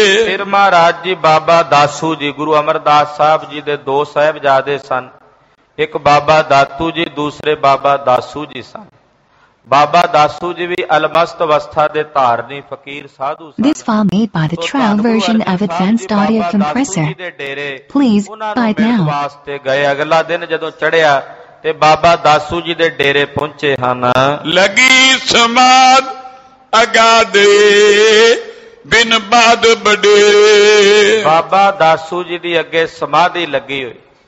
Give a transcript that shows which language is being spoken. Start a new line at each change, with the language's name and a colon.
Punjabi: ਫਿਰ ਮਹਾਰਾਜ ਜੀ ਬਾਬਾ ਦਾਸੂ ਜੀ, ਗੁਰੂ ਅਮਰਦਾਸ ਸਾਹਿਬ ਜੀ ਦੇ ਦੋ ਸਾਹਿਬਜ਼ਾਦੇ ਸਨ, ਇੱਕ ਬਾਬਾ ਦਾਤੂ ਜੀ ਦੂਸਰੇ ਬਾਬਾ ਦਾਸੂ ਜੀ ਸਨ। ਬਾਬਾ ਦਾਸੂ ਜੀ ਵੀ ਅਲਮਸਤ ਅਵਸਥਾ ਦੇ ਧਾਰਨੀ ਫਕੀਰ ਸਾਧੂ ਸਨ।
English: This file made by the trial version of advanced audio compressor. Please buy it now.
Punjabi: ਵਾਸਤੇ ਗਏ ਅਗਲਾ ਦਿਨ ਜਦੋਂ ਚੜਿਆ ਤੇ ਬਾਬਾ ਦਾਸੂ ਜੀ ਦੇ ਡੇਰੇ ਪਹੁੰਚੇ ਹਨ। ਲਗੀ ਸਮਾਦ ਅਗਾਦੇ ਬਿਨ ਬਾਦ ਬਡੇ। ਬਾਬਾ ਦਾਸੂ ਜੀ ਦੀ ਅੱਗੇ ਸਮਾਧੀ ਲੱਗੀ ਹੋਈ।